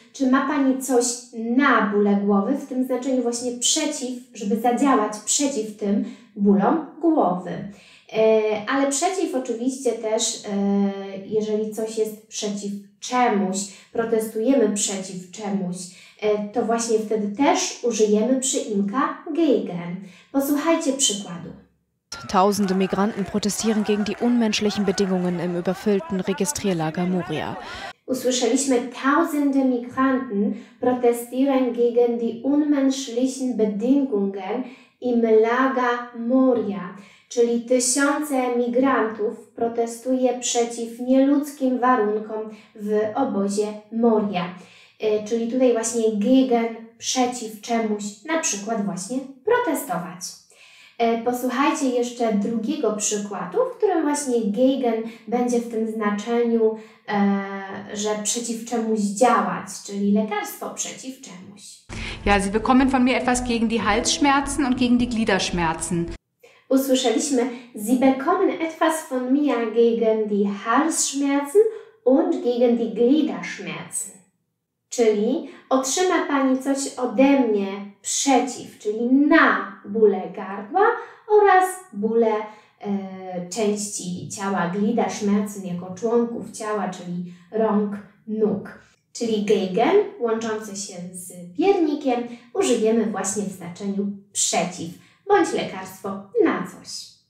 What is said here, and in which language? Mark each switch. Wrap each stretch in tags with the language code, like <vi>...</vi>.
<pl>Czy ma Pani coś na bóle głowy? W tym znaczeniu właśnie przeciw, żeby zadziałać przeciw tym bólom głowy. Ale przeciw oczywiście też, jeżeli coś jest przeciw czemuś, protestujemy przeciw czemuś, to właśnie wtedy też użyjemy przyimka gegen. Posłuchajcie przykładu.</pl> <de>Tausende Migranten protestieren gegen die unmenschlichen Bedingungen im überfüllten Registrierlager Moria.</de> <pl>Usłyszeliśmy</pl> <de>tausende Migranten protestieren gegen die unmenschlichen Bedingungen im Lager Moria.</de> <pl>Czyli tysiące migrantów protestuje przeciw nieludzkim warunkom w obozie Moria. Czyli tutaj właśnie gegen, przeciw czemuś, na przykład właśnie protestować. Posłuchajcie jeszcze drugiego przykładu, w którym właśnie gegen będzie w tym znaczeniu, że przeciw czemuś działać, czyli lekarstwo przeciw czemuś.</pl> <de>Ja, Sie bekommen von mir etwas gegen die Halsschmerzen und gegen die Gliederschmerzen.</de> <pl>Usłyszeliśmy,</pl> <de>Sie bekommen etwas von mir gegen die Halsschmerzen und gegen die Gliederschmerzen.</de> <pl>Czyli otrzyma Pani coś ode mnie przeciw, czyli na bóle gardła oraz bóle części ciała, Gliederschmerzen jako członków ciała, czyli rąk, nóg. Czyli gegen, łączące się z piernikiem, użyjemy właśnie w znaczeniu przeciw, bądź lekarstwo na coś.</pl>